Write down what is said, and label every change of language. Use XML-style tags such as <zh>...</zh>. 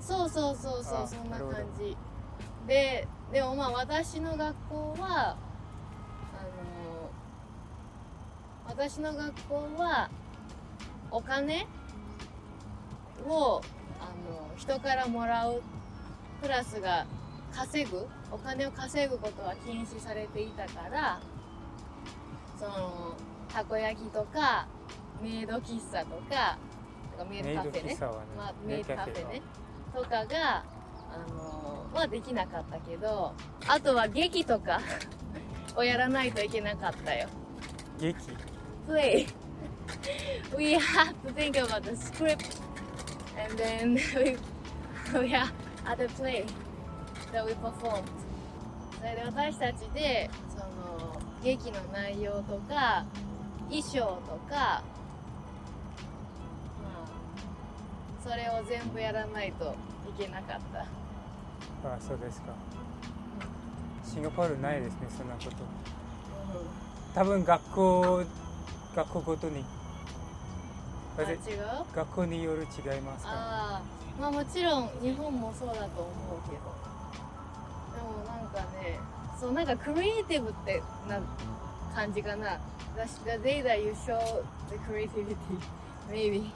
<ja>そうそうそうそう、そんな感じ。でもまあ私の学校は私の学校はお金を人からもらう、クラスが稼ぐ、お金を稼ぐことは禁止されていたから、そのたこ焼きとかメイド喫茶とか、メイドカフェ ね、まあ、メイドカフェねとかがまあできなかったけど、あとは劇とかをやらないといけなかったよ。劇？プレイ。</ja> <en>We have to think about the script and then we are at the play that we performed。</en> <ja>それで私たちでその劇の内容とか衣装とかそれを全部やらないといけなかった。ああ、そうですか。シンガポールないですね、そんなこと。多分学校ごとに。あ、違う？学校による違いますか。ああ、まあもちろん日本もそうだと思うけど。でもなんかね、そうなんかクリエイティブってな感じかな。</ja> <en>The day that you show the creativity, maybe.</en>